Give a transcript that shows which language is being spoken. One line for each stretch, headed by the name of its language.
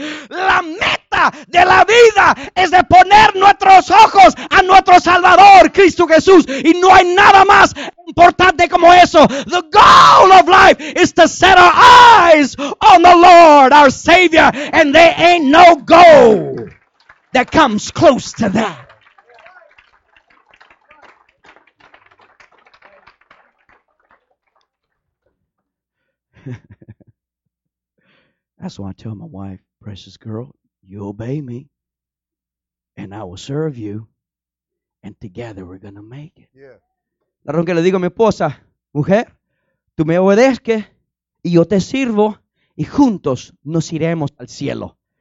Spanish: La meta de la vida es de poner nuestros ojos a nuestro Salvador, Cristo Jesús. Y no hay nada más importante como eso.
English: The goal of life is to set our eyes on the Lord, our Savior. And there ain't no goal that comes close to that. That's why I tell my wife, precious girl, you obey me, and I will serve you, and together we're going to make it. Yeah.
Spanish: La razón que le digo a mi esposa, mujer, tú me obedezcas, y yo te sirvo, y juntos nos iremos al cielo.